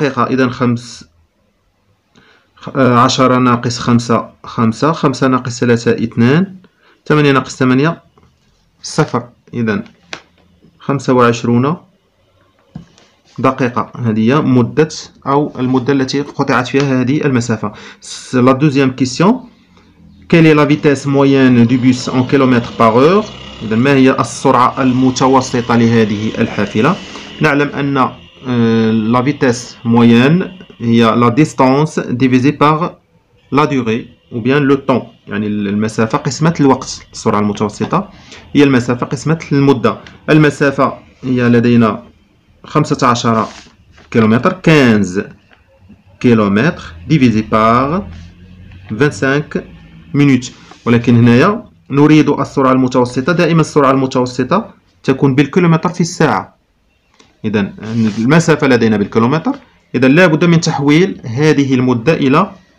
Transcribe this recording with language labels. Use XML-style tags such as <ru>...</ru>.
<ar>إذا 10 ناقص 5 5، 5 ناقص 3 2، 8 ناقص 8 0، إذا 25 دقيقة، هذه مدة أو المدة التي قطعت فيها هذه المسافة.</ar> <fr>La deuxième question: quelle est la vitesse moyenne du bus en kilomètres par heure؟</fr> <ar>إذا ما هي السرعة المتوسطة لهذه الحافلة؟ نعلم أن</ar> <fr>la vitesse moyenne هي la distance divisée par la durée ou bien le temps،</fr> <ar>يعني المسافة قسمة الوقت، السرعة المتوسطة هي المسافة قسمة المدة. المسافة هي لدينا 15 كيلومتر، 15 كيلومتر</ar> <fr>ديفيزي بار 25 مينوت،</fr> <ar>ولكن هنايا نريد السرعة المتوسطة، دائما السرعة المتوسطة تكون بالكيلومتر في الساعة، إذا المسافة لدينا بالكيلومتر، إذا لا بد من تحويل هذه المدة إلى</ar>